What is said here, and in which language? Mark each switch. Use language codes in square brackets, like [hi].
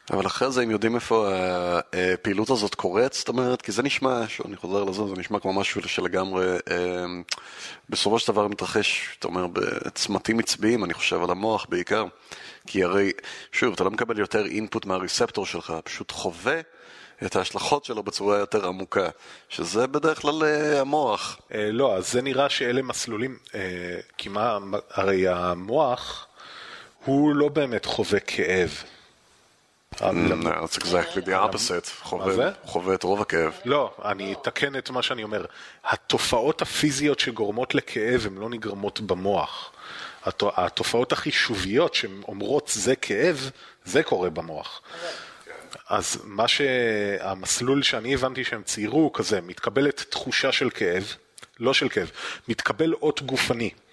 [he] אבל אחרי זה, אם יודעים איפה הפעילות הזאת קורץ, זאת אומרת, כי זה נשמע, שאני חוזר לזה, זה נשמע כמו משהו שלגמרי, בסופו של דבר מתרחש, אתה אומר, בצמתים מצביים, אני חושב על המוח בעיקר, כי הרי, שוב, אתה לא מקבל יותר אינפוט מהריספטור שלך, פשוט חווה את ההשלכות שלו בצורה יותר עמוקה, שזה בדרך כלל המוח. לא, אז זה נראה שאלה מסלולים, כי מה, הרי המוח הוא לא באמת חווה כאב. [en] No, it's exactly the opposite. [he] חווה את רוב הכאב. לא, אני אתקן את מה שאני אומר. התופעות הפיזיות שגורמות לכאב הן לא נגרמות במוח. התופעות החישוביות שאומרות זה כאב, זה קורה במוח. אז מה שהמסלול שאני הבנתי שהם ציירו כזה, מתקבלת תחושה של כאב, לא של כאב, מתקבל אות גופני.